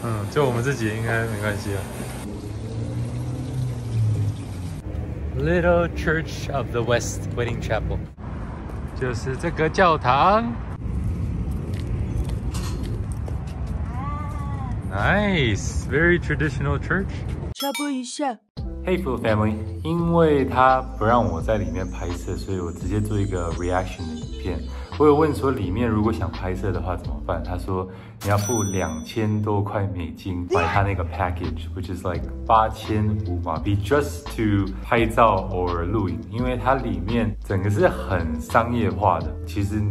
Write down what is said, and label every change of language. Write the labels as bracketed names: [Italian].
[Chinese] 就我们自己应该没关系啊。 Little Church of the West Wedding Chapel， 就是这个教堂。 [English] Nice, very traditional church. [Chinese] Chapel 一下。 [English] Hey, full family， [Chinese] 因为他不让我在里面拍摄，所以我直接做一个 reaction 的影片。我有问说里面如果想拍摄的话怎么办，他说你要付$2,000+买他那个 package， [English] which is like 8,500 just to [Chinese] 拍照 or 录影，因为他里面整个是很商业化的，其实